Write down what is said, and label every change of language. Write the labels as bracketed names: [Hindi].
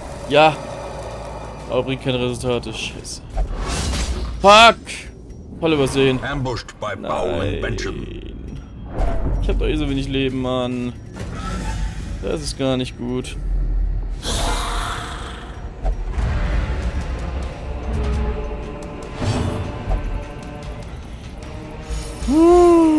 [German] Ja! Aber bringt keine Resultate. Scheiße. Fuck! Voll übersehen. [English] Ambushed by Bow and Benjamin. [German] Ich hab doch eh so wenig Leben, Mann. Das ist gar nicht gut. Puh.